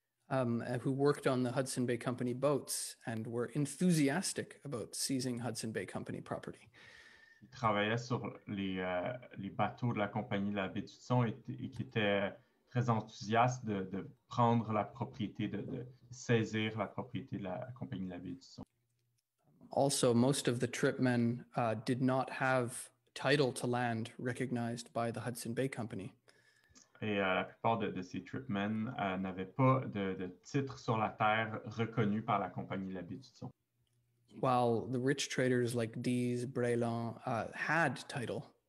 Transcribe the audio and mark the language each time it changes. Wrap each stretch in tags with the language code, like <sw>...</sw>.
<en>Who worked on the Hudson Bay Company boats and were enthusiastic about seizing Hudson Bay Company property.</en> <fr>Ils travaillaient sur les bateaux de la compagnie de la baie du Tisson et qui étaient très enthousiastes de prendre la propriété, de saisir la propriété de la compagnie de la baie du Tisson.</fr> <en>Also, most of the tripmen did not have title to land recognized by the Hudson Bay Company.</en> <fr>Et la plupart de ces tripmen n'avaient pas de titre sur la terre reconnu par la compagnie de la baie du Tisson.</fr> <en>While the rich traders like Dees, Brelan had title.</en>